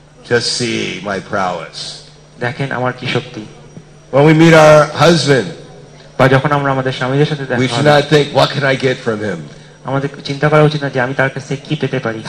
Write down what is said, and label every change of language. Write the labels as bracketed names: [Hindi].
[English] just see my prowess [Bangla] দেখেন আমার কি শক্তি [English] when we meet our husband [Bangla] বা যখন আমরা আমাদের স্বামীর সাথে দেখা করব [English] we should not think what can I get from him [Bangla] আমাদের চিন্তা করা উচিত না যে আমি তার কাছে কি পেতে পারি